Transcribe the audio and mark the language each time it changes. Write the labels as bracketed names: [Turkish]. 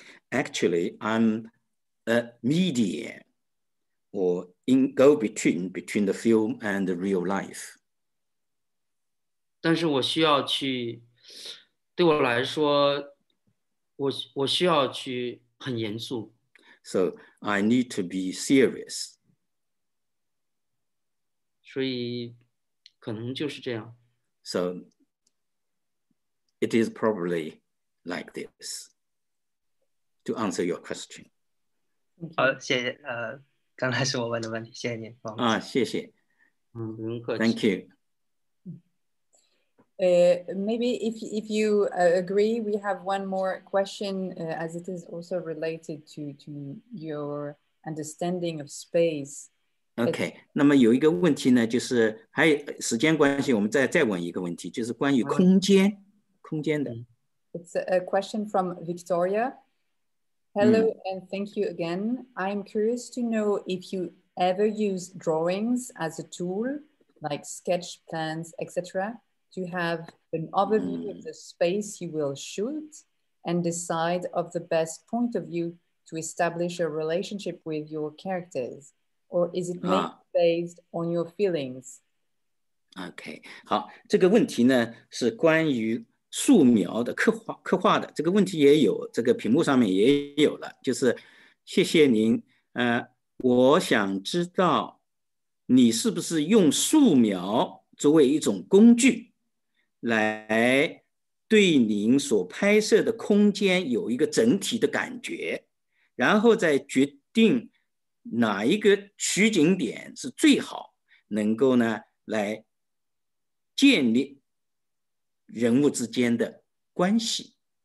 [English] Actually, I'm a medium or in go-between between the film and the real life. [Chinese] 但是我需要去，对我来说，我需要去很严肃。So [English] I need to be serious. [Chinese] 所以可能就是这样。So [English] it is probably like this. To answer your question. [Chinese] 好，谢谢。刚才是我问的问题，谢谢您。谢谢。不用客气。 [English] Thank you. Maybe if you agree, we have one more question as it is also related to your understanding of space. [Chinese] Okay, 那么有一个问题呢，就是还有时间关系，我们再问一个问题，就是关于空间， right. 空间的。 [English] It's a question from Victoria. Hello, and thank you again. I'm curious to know if you ever use drawings as a tool, like sketch plans, etc., to have an overview of the space you will shoot and decide of the best point of view to establish a relationship with your characters, or is it based on your feelings? [Chinese] Okay, 好，这个问题呢是关于 素描的刻画的这个问题也有，这个屏幕上面也有了，就是谢谢您，我想知道你是不是用素描作为一种工具来对您所拍摄的空间有一个整体的感觉，然后再决定哪一个取景点是最好能够呢来建立 人物之间的关系，